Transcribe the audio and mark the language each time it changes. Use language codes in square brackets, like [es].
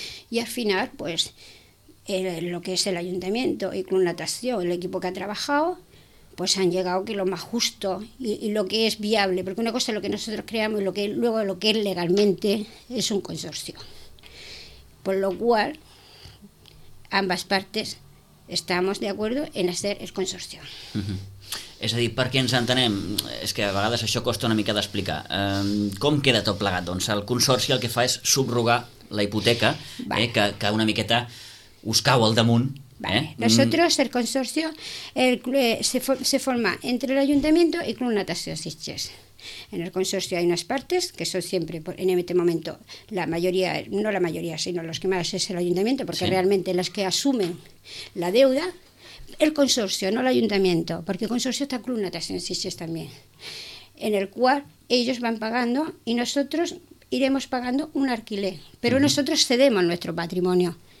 [es] Y al final, pues, lo que es el Ayuntamiento y Club Natación, el equipo que ha trabajado, pues han llegado que lo más justo y lo que es viable, porque una cosa es lo que nosotros creamos y lo que es legalmente es un consorcio. Por lo cual, ambas partes estamos de acuerdo en hacer el consorcio. [ca] És a dir, per què ens entenem? És que a vegades això costa una mica d'explicar. Com queda tot plegat? Doncs el consorci el que fa és subrogar la hipoteca, que una miqueta us cau al damunt. Vale. [es] Nosotros, el consorcio, se forma entre el Ayuntamiento y Club Natación Sitges. En el consorcio hay unas partes que son siempre, en este momento, la mayoría, no la mayoría, sino los que más es el Ayuntamiento, porque realmente las que asumen la deuda, el consorcio, no el Ayuntamiento, porque el consorcio está Club Natación Sitges también, en el cual ellos van pagando y nosotros iremos pagando un alquiler, pero nosotros cedemos nuestro patrimonio.